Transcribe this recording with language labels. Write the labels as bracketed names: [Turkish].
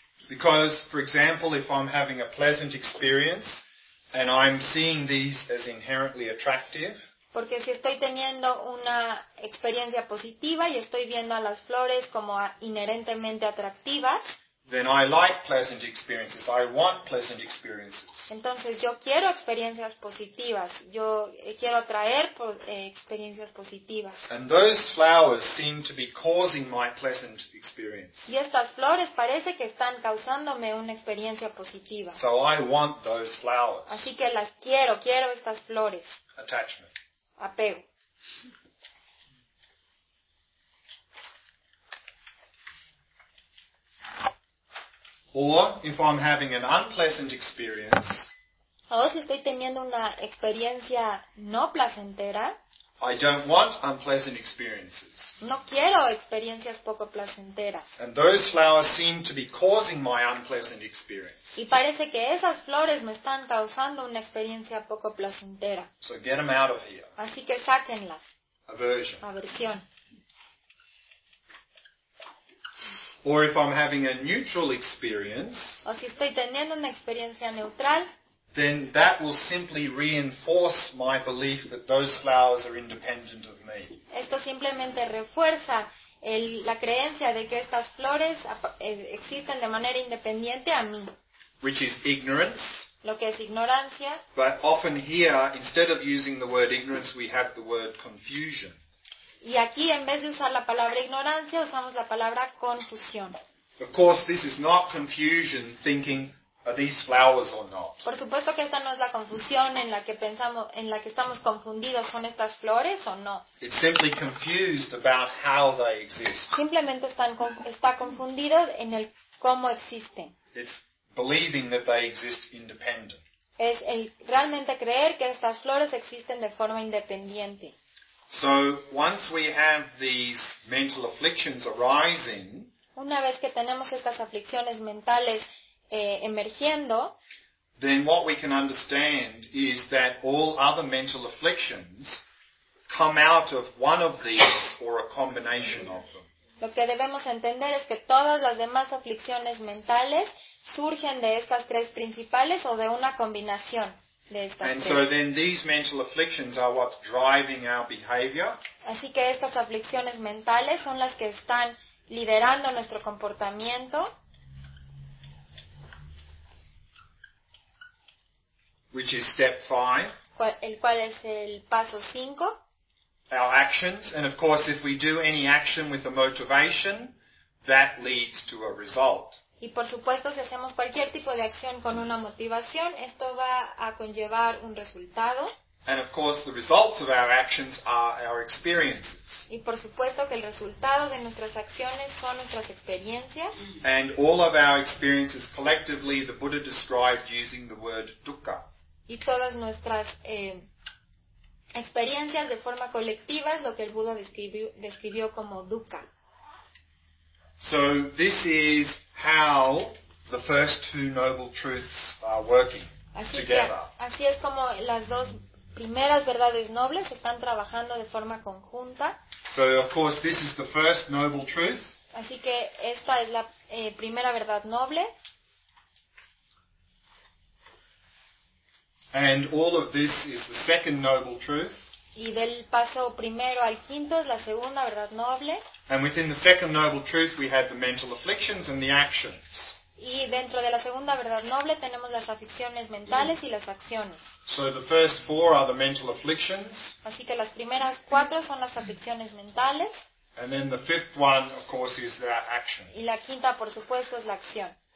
[English] Because, for example, if I'm having a pleasant experience and I'm seeing these as inherently attractive, [Spanish] porque si estoy teniendo una experiencia positiva y estoy viendo a las flores como inherentemente atractivas, [English] then I like pleasant experiences. I want pleasant experiences. [Spanish] Entonces yo quiero experiencias positivas. Yo quiero atraer experiencias positivas. [English] And those flowers seem to be causing my pleasant experience. [Spanish] Y estas flores parece que están causándome una experiencia positiva. [English] So I want those flowers. [Spanish] Así que las quiero. Quiero estas flores. [English] Attachment. [Spanish] Apego. [English] Or if I'm having an unpleasant experience, [Spanish] o si estoy teniendo una experiencia no placentera, [English] I don't want unpleasant experiences. [Spanish] No quiero experiencias poco placenteras. [English] And those flowers seem to be causing my unpleasant experience. [Spanish] Y parece que esas flores me están causando una experiencia poco placentera. [English] So get them out of here. [Spanish] Así que sáquenlas. [English] Aversion. [Spanish] Aversión. [English] Or if I'm having a neutral experience, [Spanish] o si estoy teniendo una experiencia neutral, [English] then that will simply reinforce my belief that those flowers are independent of me. [Spanish] Esto simplemente refuerza la creencia de que estas flores existen de manera independiente a mí. [English] Which is ignorance. [Spanish] Lo que es ignorancia. [English] But often here, instead of using the word ignorance, we have the word confusion. [Spanish] Y aquí, en vez de usar la palabra ignorancia, usamos la palabra confusión. [English] Of course, this is not confusion thinking, are these flowers or not? [Spanish] Por supuesto que esta no es la confusión en la que pensamos, en la que estamos confundidos, ¿son estas flores o no? [English] It's simply confused about how they exist. [Spanish] Simplemente está confundido en el cómo existen. [English] It's believing that they exist independent. [Spanish] Es el realmente creer que estas flores existen de forma independiente. [English] So once we have these mental afflictions arising, [Spanish] Una vez que tenemos estas aflicciones mentales emergiendo, [English] then what we can understand is that all other mental afflictions come out of one of these or a combination of them. [Spanish] Lo que debemos entender es que todas las demás aflicciones mentales surgen de estas tres principales o de una combinación de estas [English] and [Spanish] tres. [English] So then these mental afflictions are what's driving our behavior. [Spanish] Así que estas aflicciones mentales son las que están liderando nuestro comportamiento. [English] Which is step 5. [Spanish] El cual es el paso 5. [English] Our actions, and of course if we do any action with a motivation, that leads to a result. [Spanish] Y por supuesto, si hacemos cualquier tipo de acción con una motivación, esto va a conllevar un resultado. [English] And of course the results of our actions are our experiences. [Spanish] Y por supuesto que el resultado de nuestras acciones son nuestras experiencias. [English] And all of our experiences collectively the Buddha described using the word dukkha. [Spanish] Y todas nuestras experiencias de forma colectiva es lo que el Buda describió como dukkha. [English] So this is how the first two noble truths are working [Spanish] así [English] together. [Spanish] Así es como las dos primeras verdades nobles están trabajando de forma conjunta. [English] So of course this is the first noble truth. [Spanish] Así que esta es la primera verdad noble. [English] And all of this is the second noble truth. [Spanish] Y del paso primero al quinto es la segunda verdad noble. [English] And within the second noble truth we have the mental afflictions and the actions. [Spanish] Y dentro de la segunda verdad noble tenemos las aflicciones mentales y las acciones. [English] So the first four are the mental afflictions. [Spanish] Así que las primeras cuatro son las aflicciones mentales. [English] And then the fifth one, of course, is the action. [Spanish] Y la quinta, por supuesto, es la acción.